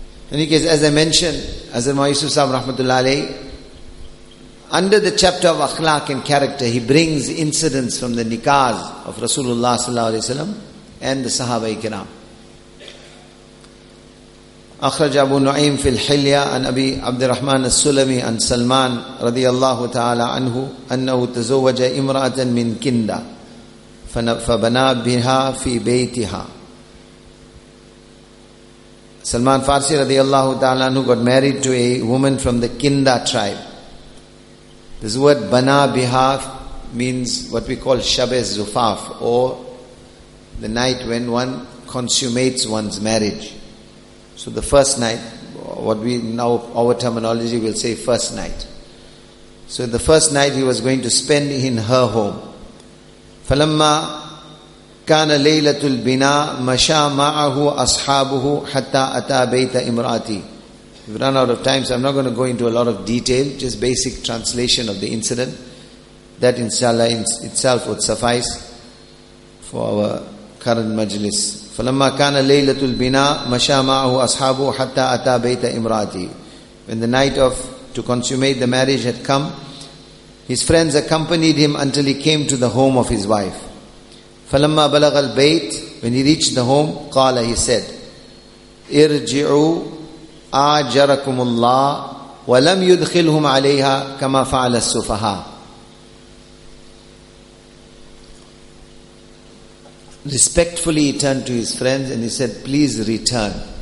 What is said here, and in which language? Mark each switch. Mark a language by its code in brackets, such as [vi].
[en] In any case, as I mentioned, Hazrat Maulana Yusuf Sahab Rahmatullah Alayhi, under the chapter of akhlaq and character, he brings incidents from the nikahs of Rasulullah Sallallahu Alaihi Wasallam and the Sahaba Ikram. [ar] أخرج أبو نعيم في الحلية عن أبي عبد الرحمن السلمي عن سلمان رضي الله تعالى عنه أنه تزوج امرأة من كندا فبنى بها في بيتها. [en] Salman Farsi radiallahu ta'ala who got married to a woman from the Kinda tribe. This word bana biha means what we call shabes zufaf, or the night when one consummates one's marriage. So the first night, what we now, our terminology will say first night. So the first night he was going to spend in her home. [ar] Falamma كان ليلة البناء مشى معه أصحابه حتى أتى بيت إمرأتي. [en] We've run out of time, so I'm not going to go into a lot of detail, just basic translation of the incident. That inshallah in itself would suffice for our current majlis. [ar] فلما كان ليلة البناء مشى معه أصحابه حتى أتى بيت إمرأتي. [en] When the night of to consummate the marriage had come, his friends accompanied him until he came to the home of his wife. [ar] فَلَمَّا بَلَغَ الْبَيْتِ [en] When he reached the home, [ar] قَالَ [en] He said, [ar] اِرْجِعُوا آجَرَكُمُ اللَّهِ وَلَمْ يُدْخِلْهُمْ عَلَيْهَا كَمَا فَعَلَ السُّفَهَا [en] Respectfully he turned to his friends and he said, Please return.